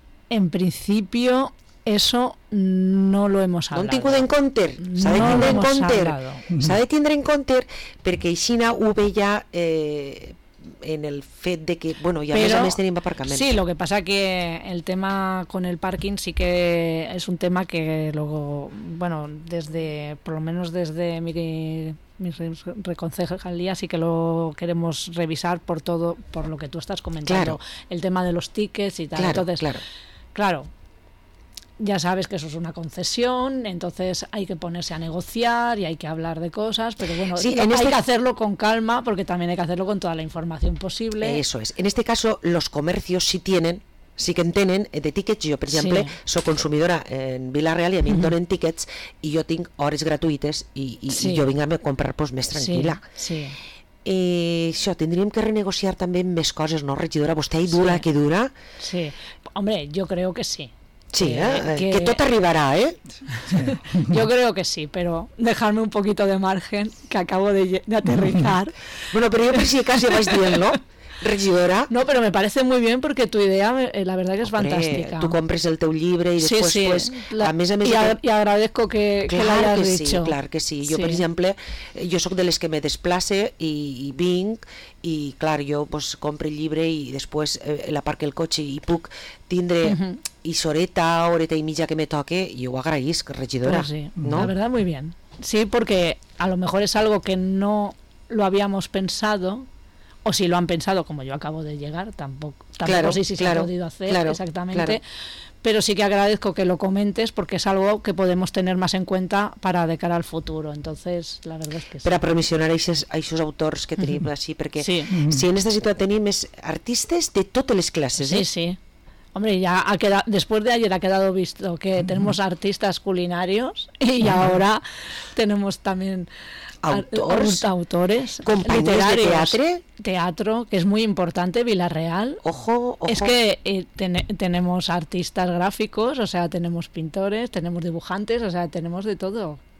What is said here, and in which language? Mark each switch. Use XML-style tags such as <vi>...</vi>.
<es>En principi, eso no lo hemos hablado.</es> <ca>No han tingut en compte. S'ha de tindre en compte. S'ha de tindre en compte perquè aixina ho ve ja... en el fet de que, bueno, i a però, més a més tenim aparcament.</ca> <es>Sí, lo que pasa que el tema con el parking sí que es un tema que luego, bueno, desde, por lo menos desde mi reconcejalía sí que lo queremos revisar por todo, por lo que tú estás comentando. Claro. El tema de los tickets y tal. Claro, entonces, claro. Claro. Ya sabes que eso es una concesión, entonces hay que ponerse a negociar y hay que hablar de cosas, pero bueno, sí, hay que hacerlo con calma porque también hay que hacerlo con toda la información posible. Eso es. En este caso, los comercios sí tienen, sí que tienen de tickets. Yo, por ejemplo, sí. Soy consumidora en Villarreal y a mí</es> <ca>me donen</ca> <es>tickets y yo tengo horas gratuitas y, sí. Y yo vengo a comprar pues más tranquila. Sí, sí.</es> <ca>Això, tindríem que renegociar també més coses, no, regidora? Vostè hi dura, sí. Que dura?</ca> <es>Sí, hombre, yo creo que sí.</es> <ca>Sí, que tot arribarà, eh?</ca> <es>Yo creo que sí, pero dejarme un poquito de margen, que acabo de aterrizar. Bueno, pero yo pensé que casi</es> <ca>vas dient-lo,</ca> <es>regidora. No, pero me parece muy bien porque tu idea, la verdad, que es fantástica.</es> <ca>Tu compres el teu llibre i després...</ca> <es>Sí, sí, pues,</es> <ca>la, a més, i</ca> <es>agradezco que l'hayas dicho.</es> <ca>Sí, clar que sí. Jo, sí. Per exemple, jo soc de les que me desplace i vinc, i clar, jo pues, compro el llibre i després l'aparque el cotxe i puc tindre i soreta, horeta i mitja que me toque, i ho agraïsc, regidora.</ca> <es>Pues sí, ¿no? La verdad, muy bien. Sí, porque a lo mejor es algo que no lo habíamos pensado, o si lo han pensado, como yo acabo de llegar, tampoco claro, sé si claro, se ha podido hacer claro, exactamente, claro. Pero sí que agradezco que lo comentes, porque es algo que podemos tener más en cuenta para de cara al futuro, entonces la verdad es que sí.</es> <ca>Per a promocionar aixos autors que tenim així, perquè sí. Si en esta situació tenim és artistes de totes les classes. Sí, eh? Sí.</ca> <es>Hombre, ya ha quedado, después de ayer ha quedado visto que tenemos artistas culinarios y ahora tenemos también autores compañeros literarios,</es> <ca>de teatre.</ca> <es>Teatro, que es muy importante, Villarreal. Ojo, ojo. Es que tenemos artistas gráficos, o sea, tenemos pintores, tenemos dibujantes, o sea, tenemos de todo.</es>